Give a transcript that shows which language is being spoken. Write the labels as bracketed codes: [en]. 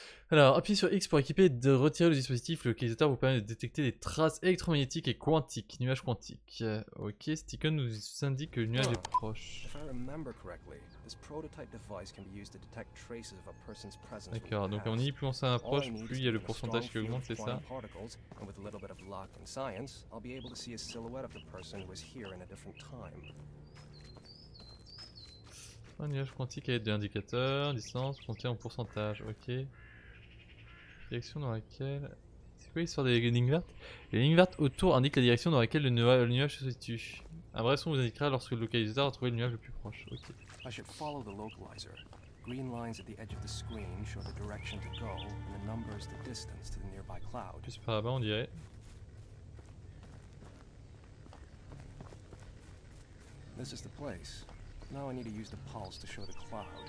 [fr] Alors, appuyez sur X pour équiper et de retirer le dispositif. Le localisateur vous permet de détecter des traces électromagnétiques et quantiques. Nuage quantique. Ok, Sticken nous indique que le nuage est proche. [en] If I remember correctly, this prototype device can be used to detect traces of a person's presence. [fr] D'accord, donc on y plus on s'approche, plus il y a le pourcentage qui augmente, c'est ça? [en] And with a little bit of luck and science, I'll be able to see a silhouette of the person who was here in a different time. [fr] Un nuage quantique avec des indicateurs, distance, compté en pourcentage. Ok. Direction dans laquelle... C'est quoi l'histoire des lignes vertes? Les lignes vertes autour indiquent la direction dans laquelle le nuage se situe. Un vrai son vous indiquera lorsque le localisateur a trouvé le nuage le plus proche. Ok. [en] I should follow the localizer. Green lines at the edge of the screen show the direction to go and the numbers the distance to the nearby cloud. [fr] Juste par là-bas, on dirait. [en] This is the place. Now I need to use the pulse to show the cloud.